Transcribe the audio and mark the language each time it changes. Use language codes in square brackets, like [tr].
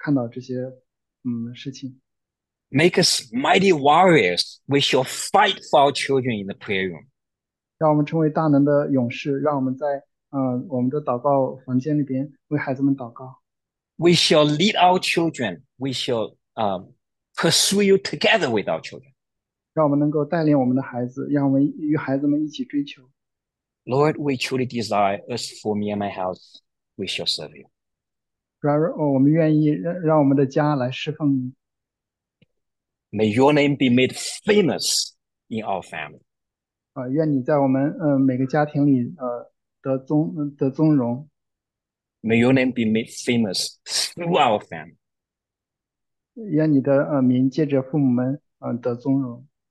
[zh] 求你让我们能够看到我们孩子们所处的环境，让我们能够迫切的看到这些事情。 [en] Make us mighty warriors. We shall fight for our children in the prayer room. [zh] 让我们成为大能的勇士，让我们在我们的祷告房间里边为孩子们祷告。 [en] We shall lead our children. We shall pursue you together with our children. [zh] 让我们能够带领我们的孩子，让我们与孩子们一起追求。 [en] Lord, we truly desire us for me and my house. We shall serve you. [zh] 然而，我们愿意让我们的家来侍奉你。 [en] May your name be made famous in our family. [zh] 愿你在我们每个家庭里得尊荣。 [en] May your name be made famous through our family. [zh] 愿你的名借着父母们得尊荣。